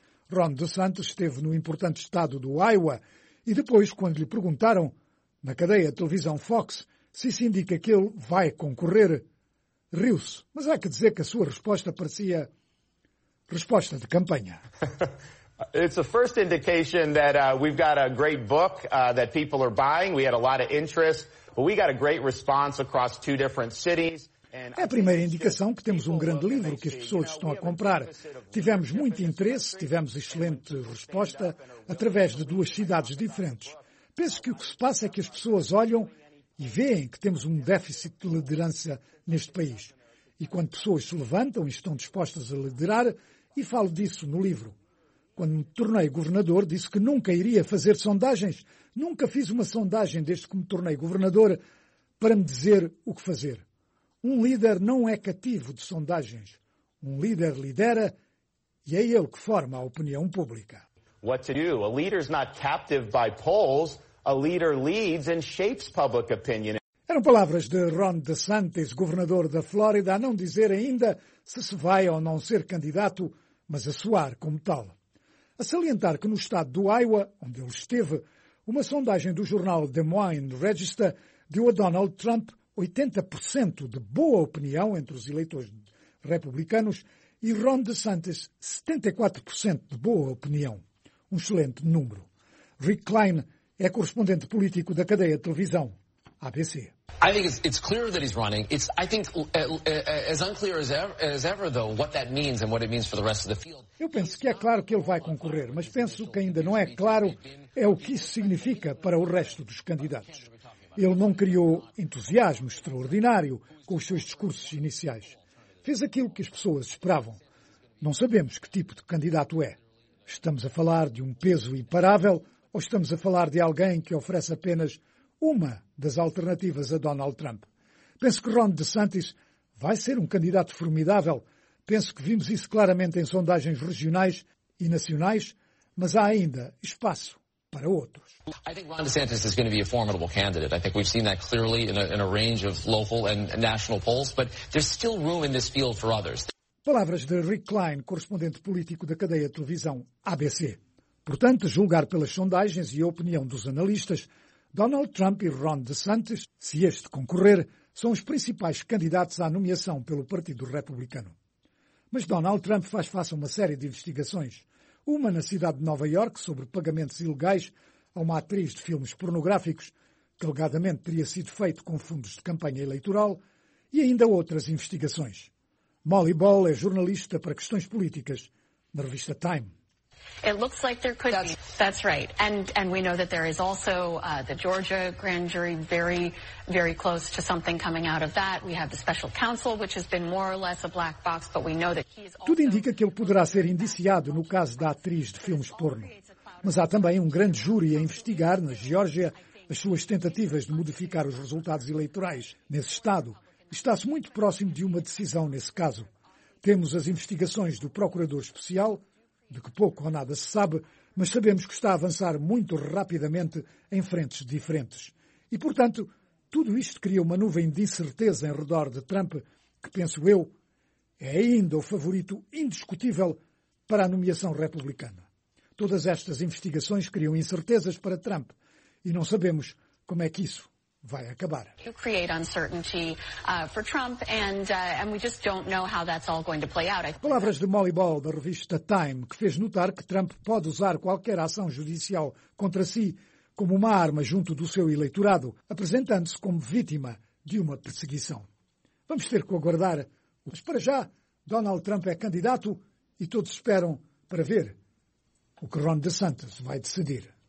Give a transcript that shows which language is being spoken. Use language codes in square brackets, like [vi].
[pt] Ron DeSantis esteve no importante estado do Iowa e depois, quando lhe perguntaram, na cadeia de televisão Fox, se isso indica que ele vai concorrer, riu-se. Mas há que dizer que a sua resposta parecia resposta de campanha. [en] It's the first indication that we've got a great book that people are buying. We had a lot of interest, but we got a great response across two different cities. [pt] É a primeira indicação que temos um grande livro que as pessoas estão a comprar. Tivemos muito interesse, tivemos excelente resposta através de duas cidades diferentes. Penso que o que se passa é que as pessoas olham e veem que temos um déficit de liderança neste país. E quando pessoas se levantam e estão dispostas a liderar, e falo disso no livro. Quando me tornei governador, disse que nunca iria fazer sondagens. Nunca fiz uma sondagem desde que me tornei governador para me dizer o que fazer. Um líder não é cativo de sondagens. Um líder lidera e é ele que forma a opinião pública. [en] What to do? A leader's not captive by polls. A leader leads and shapes public opinion. [pt] Eram palavras de Ron DeSantis, governador da Flórida, a não dizer ainda se se vai ou não ser candidato, mas a soar como tal. A salientar que no estado do Iowa, onde ele esteve, uma sondagem do jornal Des Moines Register deu a Donald Trump 80% de boa opinião entre os eleitores republicanos e Ron DeSantis 74% de boa opinião. Um excelente número. Rick Klein é correspondente político da cadeia de televisão ABC. [en] I think it's clear that he's running. It's I think as unclear as ever though what that means and what it means for the rest of the field. [pt] Eu penso que é claro que ele vai concorrer, mas penso que ainda não é claro é o que isso significa para o resto dos candidatos. Ele não criou entusiasmo extraordinário com os seus discursos iniciais. Fez aquilo que as pessoas esperavam. Não sabemos que tipo de candidato é. Estamos a falar de um peso imparável ou estamos a falar de alguém que oferece apenas uma das alternativas a Donald Trump? Penso que Ron DeSantis vai ser um candidato formidável. Penso que vimos isso claramente em sondagens regionais e nacionais, mas há ainda espaço para outros. [en] I think Ron DeSantis is going to be a formidable candidate. I think we've seen that clearly in a range of local and national polls, but there's still room in this field for others. [pt] Palavras de Rick Klein, correspondente político da cadeia de televisão ABC. Portanto, a julgar pelas sondagens e a opinião dos analistas, Donald Trump e Ron DeSantis, se este concorrer, são os principais candidatos à nomeação pelo Partido Republicano. Mas Donald Trump faz face a uma série de investigações. Uma na cidade de Nova York sobre pagamentos ilegais a uma atriz de filmes pornográficos, que alegadamente teria sido feito com fundos de campanha eleitoral, e ainda outras investigações. Molly Ball é jornalista para questões políticas na revista Time. [en] It looks like there could be. That's right. And we know that there is also the Georgia grand jury very, very close to something coming out of that. We have the special counsel, which has been more or less a black box, but we know that he is also... [pt] Tudo indica que ele poderá ser indiciado no caso da atriz de filmes porno. Mas há também um grande júri a investigar, na Geórgia, as suas tentativas de modificar os resultados eleitorais nesse estado. Está-se muito próximo de uma decisão nesse caso. Temos as investigações do procurador especial, de que pouco ou nada se sabe, mas sabemos que está a avançar muito rapidamente em frentes diferentes. E, portanto, tudo isto cria uma nuvem de incerteza em redor de Trump, que, penso eu, é ainda o favorito indiscutível para a nomeação republicana. Todas estas investigações criam incertezas para Trump e não sabemos como é que isso vai acabar. [en] You create uncertainty for Trump and we just don't know how that's all going to play out. [pt] Palavras de Molly Ball, da revista Time, que fez notar que Trump pode usar qualquer ação judicial contra si como uma arma junto do seu eleitorado, apresentando-se como vítima de uma perseguição. Vamos ter que aguardar. Mas para já, Donald Trump é candidato e todos esperam para ver o que Ron DeSantis vai decidir.